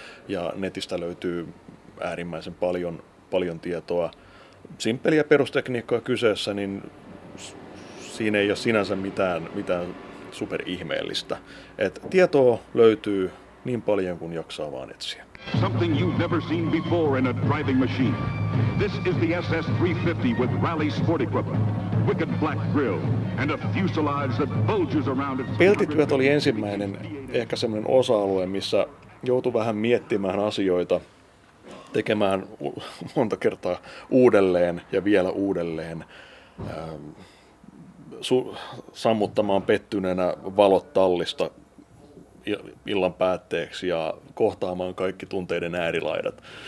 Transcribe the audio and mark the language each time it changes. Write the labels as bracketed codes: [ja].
[fi] Ja netistä löytyy äärimmäisen paljon tietoa. Simppeliä perustekniikkaa kyseessä, niin siinä ei ole sinänsä mitään superihmeellistä. Et tietoa löytyy niin paljon kuin jaksaa vaan etsiä. [en] Something you've never seen before in a driving machine. This is the SS350 with rally sport equipment, wicked black grille, and a fuselage that bulges around its... [fi] Peltityöt oli ensimmäinen ehkä semmoinen osa-alue, missä joutui vähän miettimään asioita, tekemään monta kertaa uudelleen ja vielä uudelleen, sammuttamaan pettyneenä valot tallista illan päätteeksi ja kohtaamaan kaikki tunteiden äärilaidat.